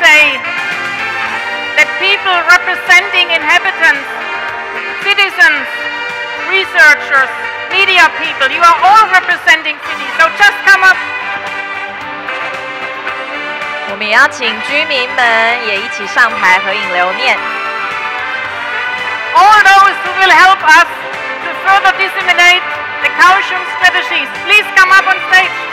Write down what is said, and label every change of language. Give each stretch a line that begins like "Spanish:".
English: That people representing inhabitants, citizens, researchers, media people, you are all representing cities, so just come up.
Chinese: 我们也要请居民们也一起上台合影留念。
English: All those who will help us to further disseminate the Kaohsiung strategies, please come up on stage.